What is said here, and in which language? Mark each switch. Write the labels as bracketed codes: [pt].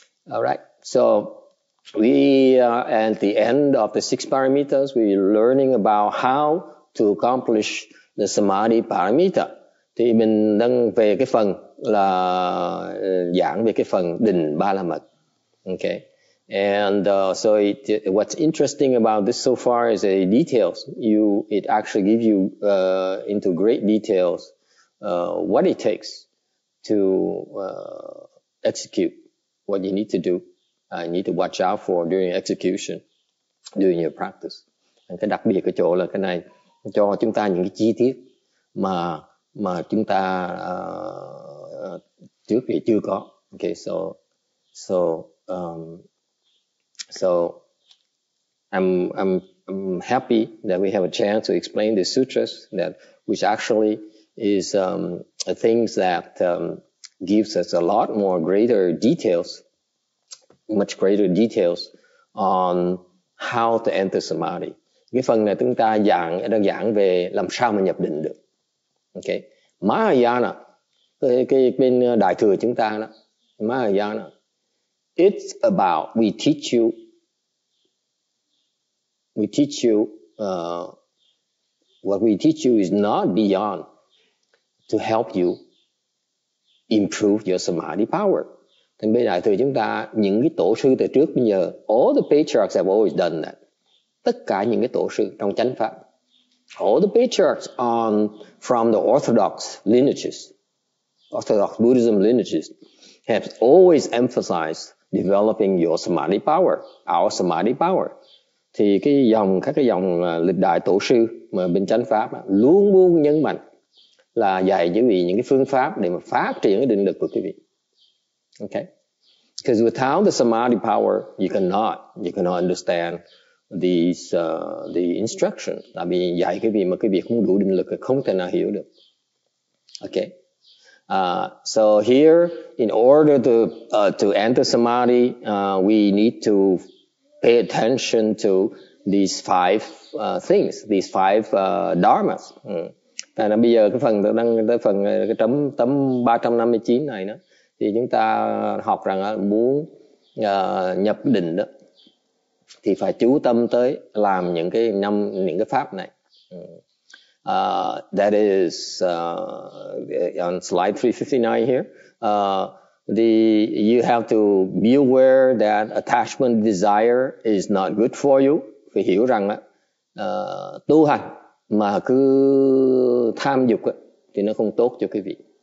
[en] Alright, so we are at the end of the six parameters. We are learning about how to accomplish the samadhi parameter. [vi] Thì mình đang về cái phần là giảng về cái phần định ba la mật. [en] Okay. And so what's interesting about this so far is the details. It actually gives you into great details what it takes to execute what you need to do. You need to watch out for during execution, during your practice. [vi] And cái đặc biệt cái chỗ là cái này cho chúng ta những cái chi tiết mà chúng ta trước thì chưa có. [en] Okay, So I'm happy that we have a chance to explain the sutras that which actually is things that gives us a lot more greater details, much greater details on how to enter samadhi. [vi] Cái phần này chúng ta giảng đang giảng về làm sao mà nhập định được. Okay, Mahayana, cái bên đại thừa chúng ta đó, Mahayana, [en] it's about we teach you. We teach you, what we teach you is not beyond to help you improve your samadhi power. [vi] Thì bây giờ chúng ta, những cái tổ sư từ trước bây giờ, [en] all the patriarchs have always done that. [vi] Tất cả những cái tổ sư trong chánh pháp. [en] All the patriarchs from the orthodox lineages, orthodox Buddhism lineages, have always emphasized developing your samadhi power, our samadhi power. [vi] Thì các cái dòng lịch đại tổ sư mà bên chánh pháp luôn luôn nhấn mạnh là dạy quý vị những cái phương pháp để mà phát triển cái định lực của quý vị. [en] Okay, because without the samadhi power you cannot understand these the instruction. [vi] Là vì dạy quý vị mà quý vị không đủ định lực thì không thể nào hiểu được. [en] Okay, so here in order to enter samadhi, we need to pay attention to these five things, these five dharmas. [vi] Tại nên bây giờ cái phần đang tới phần cái tấm 359 này đó, thì chúng ta học rằng muốn nhập định đó, thì phải chú tâm tới làm những cái pháp này. [en] That is on slide 359 here. You have to be aware that attachment desire is not good for you. [vi] Phải hiểu rằng á, tu hành mà cứ tham dục á, thì nó không tốt cho quý vị.